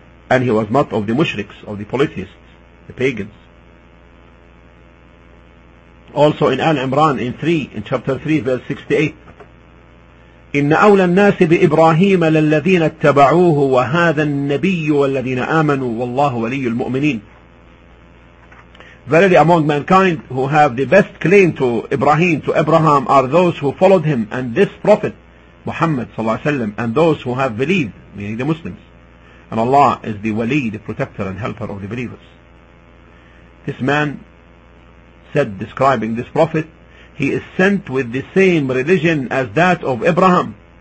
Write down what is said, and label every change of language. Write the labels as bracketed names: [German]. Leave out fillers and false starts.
[English] And he was not of the mushriks, of the polytheists, the pagans. Also in Al-Imran, in chapter 3, verse 68, [Arabic] إِنَّ أَوْلَى النَّاسِ بِإِبْرَاهِيمَ لَلَّذِينَ اتَّبَعُوهُ وَهَذَا النَّبِيُّ وَالَّذِينَ آمَنُوا وَاللَّهُ وَلِيُّ الْمُؤْمِنِينَ. [English] Verily among mankind who have the best claim to Ibrahim, to Abraham, are those who followed him and this prophet, Muhammad [Arabic] صلى الله عليه وسلم, [English] and those who have believed, meaning the Muslims. And Allah is the wali, the protector and helper of the believers. This man said, describing this prophet, he is sent with the same religion as that of Abraham.